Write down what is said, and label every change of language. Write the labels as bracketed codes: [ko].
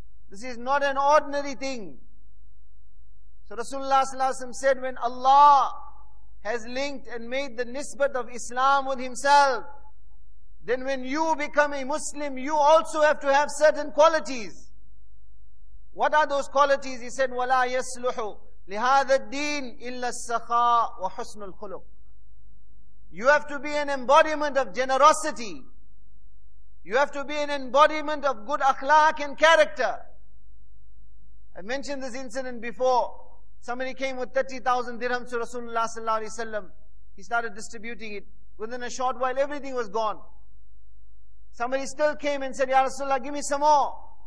[en] This is not an ordinary thing. So Rasulullah sallallahu alaihi wasallam said, when Allah has linked and made the nisbat of Islam with himself, then when you become a Muslim, you also have to have certain qualities. What are those qualities? He said, [ar] وَلَا يَسْلُحُ لِهَذَا الدِّينِ إِلَّا السَّخَاء وَحُسْنُ الْخُلُقِ. [en] You have to be an embodiment of generosity. You have to be an embodiment of good akhlaq and character. I mentioned this incident before. Somebody came with 30,000 dirhams to Rasulullah sallallahu alaihi wasallam. He started distributing it. Within a short while, everything was gone. Somebody still came and said, Ya Rasulullah, give me some more.